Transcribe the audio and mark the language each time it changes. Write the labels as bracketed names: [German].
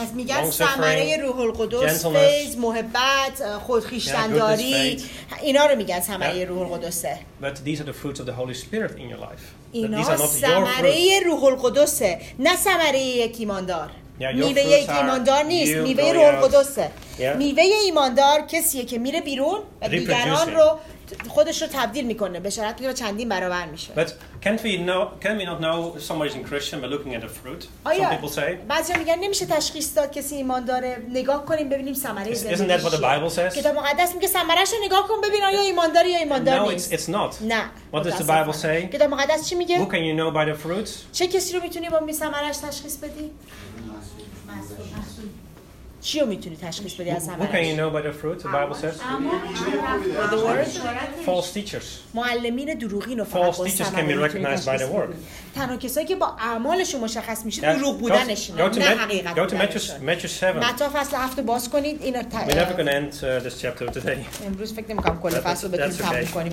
[Persian] پس میگن ثمره روح القدس، فیض، محبت، خودخویشتنداری، اینا رو میگن ثمره روح القدسه. [English] But these are the fruits of the Holy Spirit in your life. [Persian] اینا ثمره روح القدسه نه ثمره یک ایماندار میوه یک ایماندار نیست میوه روح القدسه میوه ایماندار کسیه که میره بیرون و دیگران رو خودش رو تبدیل میکنه به شرط که چندین برابر میشه [English] But can we not know somebody's in Christian by looking at the fruit some people say [Persian] بعضی میگن نمیشه تشخیص داد کسی ایمان داره نگاه کنیم ببینیم ثمره ای زندگی [English] Isn't that what the Bible says [Persian] کتاب مقدس میگه ثمرهشو نگاه کن ببین آیا ایماندار یا ایماندار نیست [English] No it's not [Persian] نه [English] What does the Bible say [Persian] کتاب مقدس چی میگه [English] Who can you know by the fruit [Persian] چه کسی رو میتونی با ثمرهش تشخیص بدی چی رو میتونی تشخیص بدی از ثمرش؟ [English] Can you know by the fruit the Bible says? The word false teachers. [Persian] معلمین دروغین و [English] false teachers can be recognized by the work. [Persian] تنها کسایی که با اعمالشون مشخص میشه دروغ بودنشون نه حقیقت. [English] Matthew 7. [Persian] متا فصل 7 رو باز کنید. اینا [English] We're never going to end this chapter today. [Persian] امروز فکر نمی‌کنم کل فصل رو بتونیم تموم کنیم.